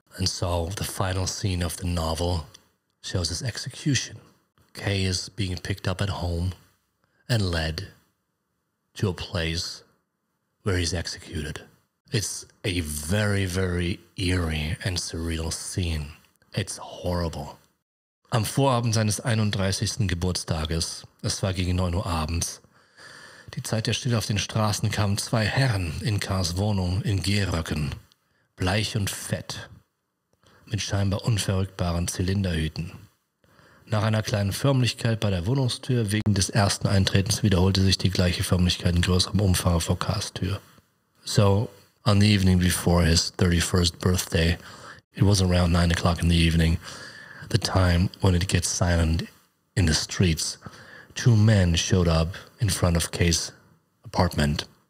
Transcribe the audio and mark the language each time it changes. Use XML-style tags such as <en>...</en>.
<en>And so the final scene of the novel shows his execution. K is being picked up at home and led to a place where he's executed. It's a very, very eerie and surreal scene. It's horrible.</en> <de>Am Vorabend seines 31. Geburtstages, es war gegen 9 Uhr abends, die Zeit der Stille auf den Straßen, kamen zwei Herren in Kars Wohnung in Gehröcken, bleich und fett, mit scheinbar unverrückbaren Zylinderhüten. Nach einer kleinen Förmlichkeit bei der Wohnungstür wegen des ersten Eintretens wiederholte sich die gleiche Förmlichkeit in größerem Umfang vor Kars Tür.</de> <en>So, on the evening before his 31st birthday, it was around 9 o'clock in the evening, the time when it gets silent in the streets, two men showed up in front of K's apartment.</en>